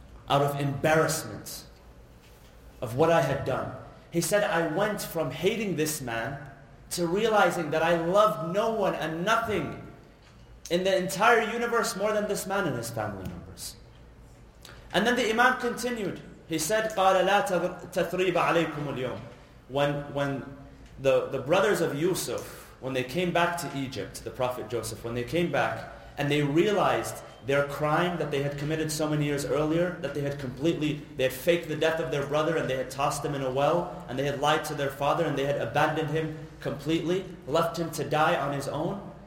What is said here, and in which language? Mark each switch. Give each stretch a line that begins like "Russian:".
English: Out of embarrassment of what I had done. He said, I went from hating this man to realizing that I loved no one and nothing in the entire universe more than this man and his family members. And then the Imam continued. He said,
Arabic: قَالَ لَا تَثْرِيبَ عَلَيْكُمُ الْيَوْمِ.
English: When the brothers of Yusuf, when they came back to Egypt, the Prophet Joseph, when they came back and they realized their crime that they had committed so many years earlier, that they had faked the death of their brother and they had tossed him in a well and they had lied to their father and they had abandoned him completely, left him to die on his own.